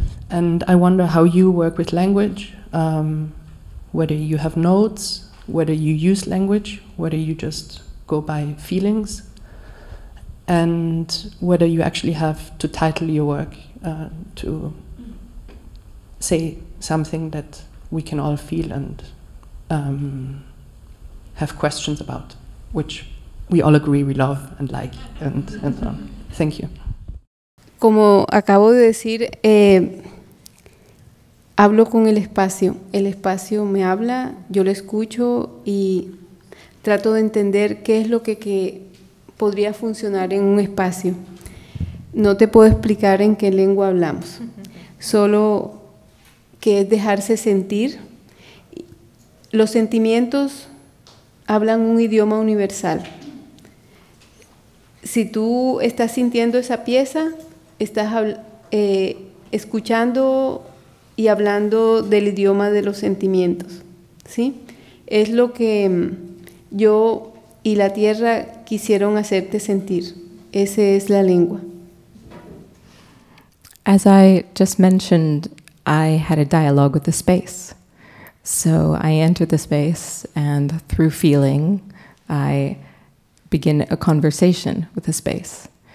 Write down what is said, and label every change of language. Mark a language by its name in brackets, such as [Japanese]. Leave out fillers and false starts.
[English] And I wonder how you work with language, whether you have notes, whether you use language, whether you just go by feelings, and whether you actually have to title your work to say something that we can all feel and have questions about, which we all agree we love and like, and so on. Thank you. [Spanish] Como acabo de decir, hablo con el espacio. El espacio me habla, yo lo escucho y trato de entender qué es lo que podría funcionar en un espacio. No te puedo explicar en qué lengua hablamos, solo que es dejarse sentir. Los sentimientos hablan un idioma universal. Si tú estás sintiendo esa pieza, estás escuchando y hablando del idioma de los sentimientos, ¿sí? Es lo que yo y la tierra quisieron hacerte sentir. Esa es la lengua. [English] As I just mentioned, I had a dialogue with the space. So I enter the space, and through feeling, I begin a conversation with the space.